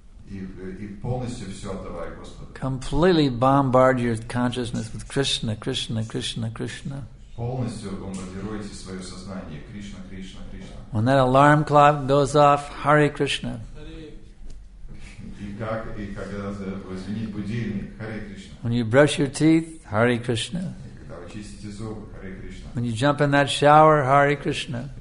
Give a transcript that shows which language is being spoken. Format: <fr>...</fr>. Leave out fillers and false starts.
<ru>И полностью все отдавай Господу.</ru> <en>Completely bombard your consciousness with Krishna, Krishna, Krishna, Krishna.</en> <ru>Полностью бомбардируйте свое сознание Кришна, Кришна, Кришна.</ru> <en>When that alarm clock goes off, Hare Krishna.</en> <ru>И когда звенит будильник, Hare Krishna.</ru> <en>When you brush your teeth, Hare Krishna.</en> <ru>Когда вы чистите зубы, Hare Krishna.</ru> <en>When you jump in that shower, Hare Krishna.</en>